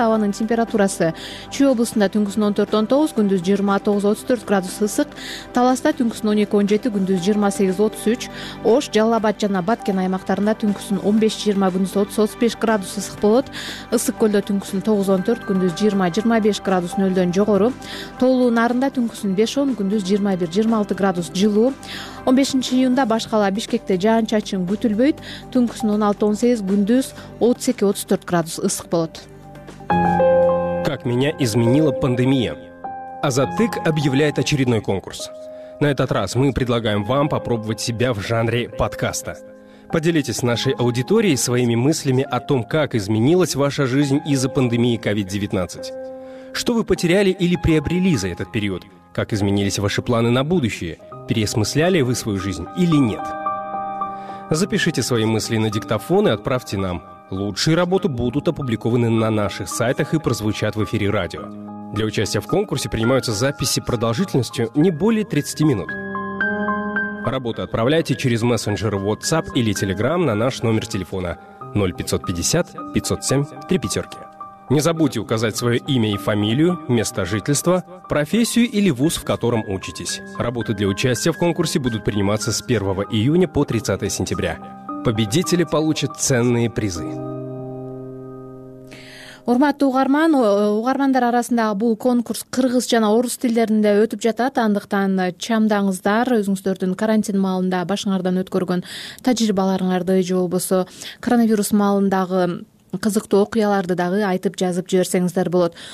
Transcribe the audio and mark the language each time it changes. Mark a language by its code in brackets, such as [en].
[ky] Абанын температурасы Чүй облусунда түнкүсүн 14-19, күндүз 29-34 градус ысык, Таласта түнкүсүн 12-17, күндүз 28-33, Ош, Жалал Абад жана Баткен аймактарында түнкүсүн 15-20, күндүз 30-35 градус ысык болот, Ысык Көлдө түнкүсүн 9-14, күндүз 20-25 градус нөлдөн жогору, Тоолуу Нарында түнкүсүн 5-10, күндүз 21-26 градус жылуу. 15 июнда баш кала Бишкекте жаан чачын күтүлбөйт. Түнкүсүн 16-18, күндүз 32-34 градус ысык болот. [ru] Как меня изменила пандемия. Азаттык объявляет очередной конкурс. На этот раз мы предлагаем вам попробовать себя в жанре подкаста. Поделитесь с нашей аудиторией своими мыслями о том, как изменилась ваша жизнь из-за пандемии COVID-19. Что вы потеряли или приобрели за этот период? Как изменились ваши планы на будущее? Переосмысляли вы свою жизнь или нет? Запишите свои мысли на диктофон и отправьте нам. Лучшие работы будут опубликованы на наших сайтах и прозвучат в эфире радио. Для участия в конкурсе принимаются записи продолжительностью не более 30 минут. Работы отправляйте через мессенджер WhatsApp или Telegram на наш номер телефона 0550 507 35. Не забудьте указать свое имя и фамилию, место жительства, профессию или вуз, в котором учитесь. Работы для участия в конкурсе будут приниматься с 1 июня по 30 сентября. Победители получат ценные призы. [ky] Урматтуу угарман, угармандар арасындагы бул конкурс кыргыз жана орус тилдеринде өтүп жатат. Андыктан чамдаңыздар, өзүңүздөрдүн карантин маалында башыңардан өткөргөн тажрыйбаларыңарды, же болбосо коронавирус маалындагы кызыктуу окуяларды дагы айтып жазып жиберсеңиздер болот.